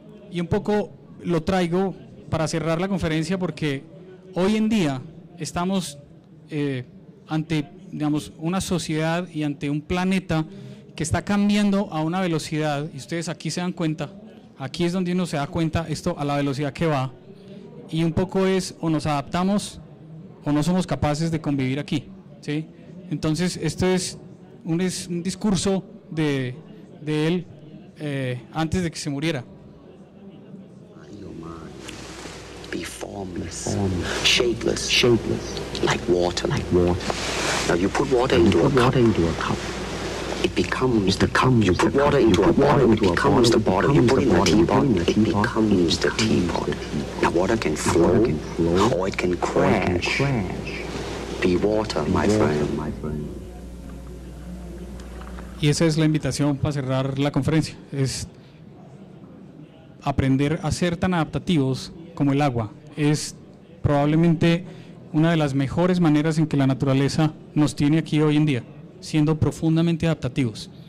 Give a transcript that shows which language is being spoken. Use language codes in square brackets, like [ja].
[es] Y un poco lo traigo para cerrar la conferencia, porque hoy en día estamos ante, digamos, una sociedad y ante un planeta que está cambiando a una velocidad, y ustedes aquí se dan cuenta, aquí es donde uno se da cuenta esto a la velocidad que va, y un poco es o nos adaptamos o no somos capaces de convivir aquí, ¿sí? Entonces, esto es un discurso de él antes de que se muriera. [en] Be formless, shapeless, like water. Now you put water into a cup. It becomes the cup. You put water into a bottle. It becomes the bottle. You put it in the teapot. It becomes the teapot. Now water can flow, or it can crash. Be water, my friend. [es] Y esa es la invitación para cerrar la conferencia. Es aprender a ser tan adaptativos como el agua. Es probablemente una de las mejores maneras en que la naturaleza nos tiene aquí hoy en día, siendo profundamente adaptativos.